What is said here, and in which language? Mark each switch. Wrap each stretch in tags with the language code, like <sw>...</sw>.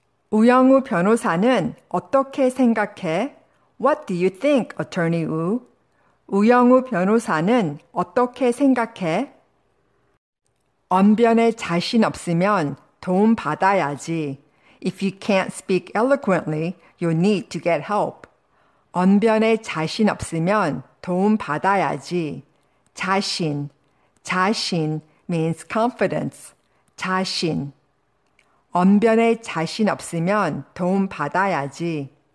<ko>우영우 변호사는 어떻게 생각해?</ko> <en>What do you think, Attorney Wu?</en> <ko>우영우 변호사는 어떻게 생각해? 언변에 자신 없으면 도움 받아야지.</ko> <en>If you can't speak eloquently, you need to get help.</en> <ko>언변에 자신 없으면 도움 받아야지. 자신, 자신.</ko> <en>means confidence,</en> <ko>자신. 언변에 자신 없으면 도움 받아야지.</ko>